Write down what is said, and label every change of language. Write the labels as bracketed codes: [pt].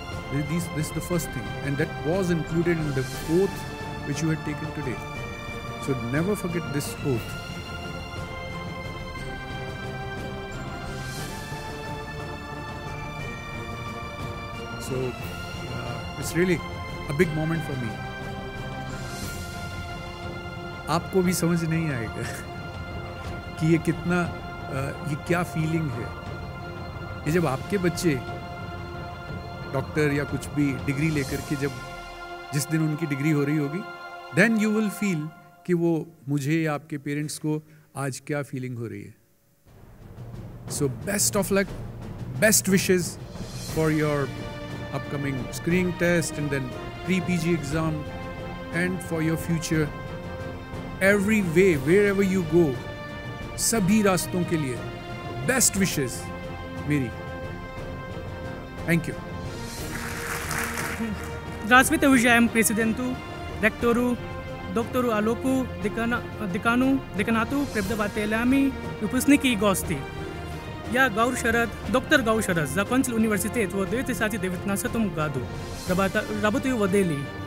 [en] This is the first thing, and that was included in the oath which you had taken today. So never forget this oath. So it's really a big moment for me. [hi] आपको भी समझ नहीं आएगा कि ये कितना ये क्या फीलिंग है. ये जब आपके बच्चे डॉक्टर या कुछ भी डिग्री लेकर के जब जिस दिन उनकी डिग्री हो रही होगी, [en] then you will feel [hi] कि वो मुझे या आपके पेरेंट्स को आज क्या फीलिंग हो रही है. [en] So best of luck, best wishes for your upcoming screening test and then pre PG exam and for your future. Every way wherever you go, [hi] सभी रास्तों के लिए बेस्ट विशेस मेरी. [en] Thank you. [ru] Здравствуйте, уважаемый президенту, ректору, доктору Алоку, декану, деканату, преподавателями, выпускники и гости. Я Гаур Шарад, доктор Гаур Шарад, закончил университет в 2019 году, работаю в Дели.